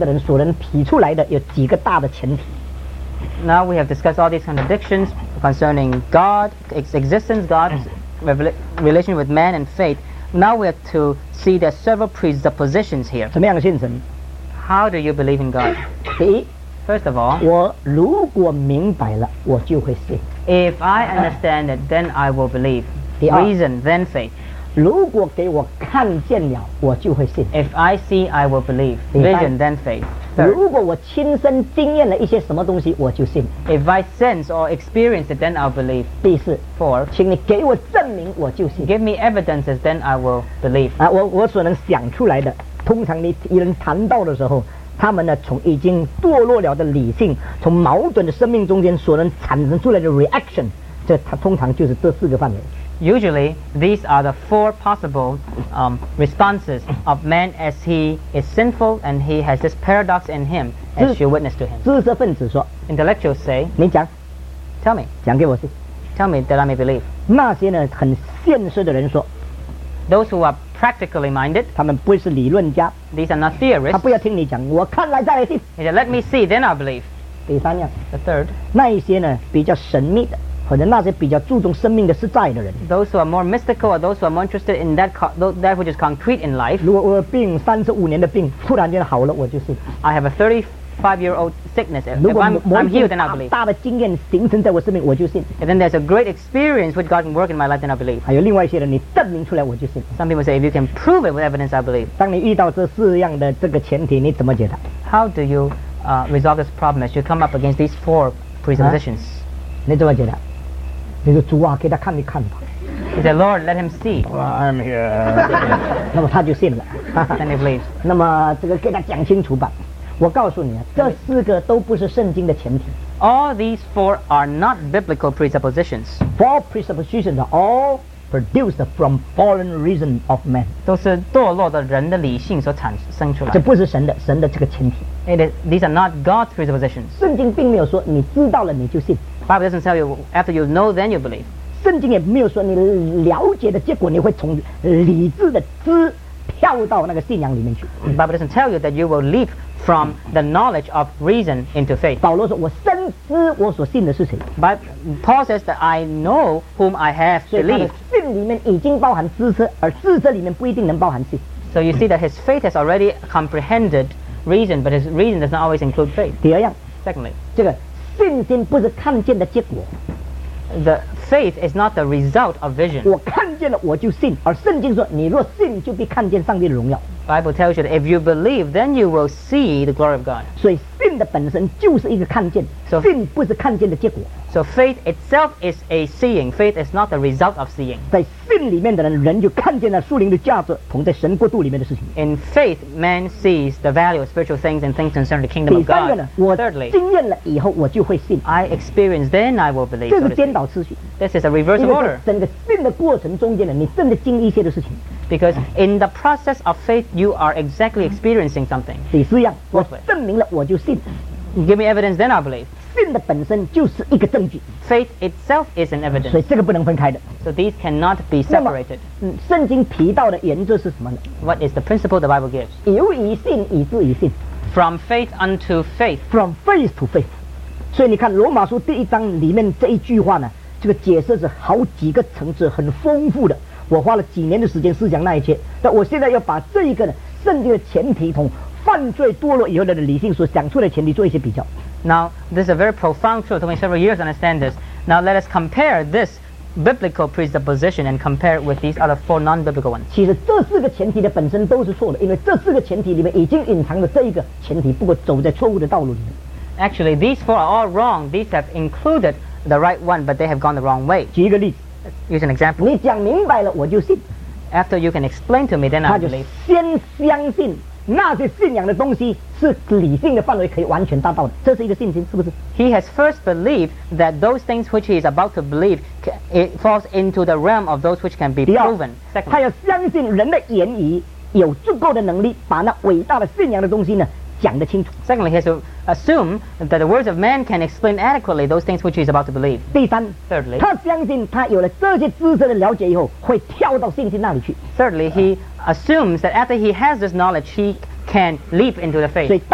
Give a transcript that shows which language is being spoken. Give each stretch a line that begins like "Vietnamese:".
Chinese: 我们现在要讲神的存在，讲神与人之间的关系，讲信仰。我们谈到这里，矛盾讲完了，我们要提到这个在矛盾中间的人所能提出来的有几个大的前提。
English: Now we have discussed all these contradictions concerning God, its existence, God's relation with man and faith. Now we have to see there are several presuppositions here.
Chinese: 怎么样信神?
English: How do you believe in God?
Chinese: 第一,
English: First of all,
Chinese: 我如果明白了,
English: if I understand it, then I will believe.
Chinese: 第二,
English: Reason, then faith.
Chinese: 如果给我看见了,
English: if I see, I will believe. Vision, then faith. Third,
Chinese: 如果我亲身经验了一些什么东西,
English: if I sense or experience it, then I'll believe.
Chinese: 第四,
English: Four,
Chinese: 请你给我证明,
English: give me evidences, then I will believe.
Chinese: 我所能想出来的, 通常你人谈到的时候，他们呢从已经堕落了的理性, 从矛盾的生命中间所能产生出来的reaction, 这通常就是这四个范围。
English: Usually, these are the four possible responses of man as he is sinful and he has this paradox in him, as you witness to him.
Chinese: 知识分子说,
English: intellectuals say,
Chinese: 你讲,
English: tell me,
Chinese: 讲给我听,
English: tell me that I may believe.
Chinese: 那些呢,很现实的人说,
English: those who are practically minded,
Chinese: 他们不是理论家,
English: these are not theorists,
Chinese: 他不要听你讲, 我看来再来信,
English: he said, let me see, then I'll believe.
Chinese: 第三样,
English: the third,
Chinese: 那一些呢,比较神秘的, 可能那些比较注重生命的是在的人,
English: those who are more mystical or those who are more interested in that which is concrete in life.
Chinese: 如果我病35年的病, 突然间好了,
English: I have a 35-year-old sickness. If I'm healed, then I believe.
Chinese: 大的经验形成在我生命,
English: and then there's a great experience which God can work in my life, then I believe.
Chinese: 还有另外一些人,你证明出来,
English: some people say, if you can prove it with evidence, I believe.
Chinese: 当你遇到这四样的这个前提,
English: how do you resolve this problem as you come up against these four presuppositions?
Chinese: 你怎么解答? 你说主啊, 给他看一看吧。
English: He said, Lord, let him see. Well, I'm here.
Chinese: 那么他就信了。
English: Then he believes.
Chinese: 那么这个给他讲清楚吧。我告诉你啊, 这四个都不是圣经的前提。
English: All these four are not biblical presuppositions. Four presuppositions are all produced from fallen reason of man.
Chinese: 都是堕落的人的理性所产生出来的。这不是神的, 神的这个前提。
English: These are not God's presuppositions.
Chinese: 圣经并没有说, 你知道了你就信。
English: Bible doesn't tell you, after you know, then you believe.
Chinese: 圣经也没有说你了解的结果你会从理智的知跳到那个信仰里面去。
English: Bible doesn't tell you that you will leap from the knowledge of reason into faith.
Chinese: 保罗说我深知我所信的是谁。
English: But Paul says that I know whom I have believed.
Chinese: 所以他的信里面已经包含知识, 而知识里面不一定能包含信。
English: So you see that his faith has already comprehended reason, but his reason does not always include faith.
Chinese: 第二样,
English: secondly,
Chinese: 这个, 信心不是看见的结果。
English: The faith is not the result of vision.
Chinese: 我看见了我就信, 而圣经说你若信就必看见上帝的荣耀。
English: Bible tells you that if you believe, then you will see the glory of God.
Chinese: 所以信的本身就是一个看见, 信不是看见的结果。
English: So faith itself is a seeing. Faith is not the result of seeing.
Chinese: 在信里面的人, 人就看见了树林的价值, 同在神国度里面的事情。
English: In faith, man sees the value of spiritual things and things concerning the kingdom of God.
Chinese: 第三个呢,
English: Thirdly,
Chinese: 经验了以后我就会信。
English: I experience, then I will believe.
Chinese: 这是颠倒次序。
English: This is a reverse order.
Chinese: 因为在整个信的过程中间呢, 你正在经历一些的事情。
English: Because in the process of faith, you are exactly experiencing something.
Chinese: 第四样, 我证明了我就信。
English: Give me evidence, then I believe.
Chinese: 信的本身就是一个证据。
English: Faith itself is an evidence.
Chinese: 所以这个不能分开的。
English: So these cannot be separated.
Chinese: 那么, 圣经提到的原则是什么呢?
English: What is the principle the Bible gives?
Chinese: 由于信以至于信。
English: From faith unto faith. From faith to faith.
Chinese: 所以你看罗马书第一章里面这一句话呢, 这个解释是好几个层次很丰富的。我花了几年的时间思想那一切, 但我现在要把这一个圣经的前提同 犯罪堕落以后的理性所想出来的前提做一些比较。
English: Now, this is a very profound truth. It took me several years to understand this. Now, let us compare this biblical presupposition and compare it with these other four non-biblical ones.
Chinese: 其实这四个前提的本身都是错的, 因为这四个前提里面已经隐藏了这一个前提, 不过走在错误的道路里面。
English: Actually, these four are all wrong. These have included the right one, but they have gone the wrong way.
Chinese: 举一个例子,
English: use an example.
Chinese: 你讲明白了我就信.
English: After you can explain to me, then I believe.
Chinese: 他就先相信. 那些信仰的东西是理性的范围可以完全达到的，这是一个信心，是不是？
English: He has first believed that those things which he is about to believe it falls into the realm of those which can be proven.
Chinese: Second, 他要相信人的言语有足够的能力把那伟大的信仰的东西呢讲得清楚。
English: Secondly, he has to assume that the words of man can explain adequately those things which he is about to believe.
Chinese: 第三,
English: thirdly,
Chinese: 他相信他有了这些知识的了解以后会跳到信心那里去。
English: Thirdly, he assumes that after he has this knowledge, he can leap into the faith.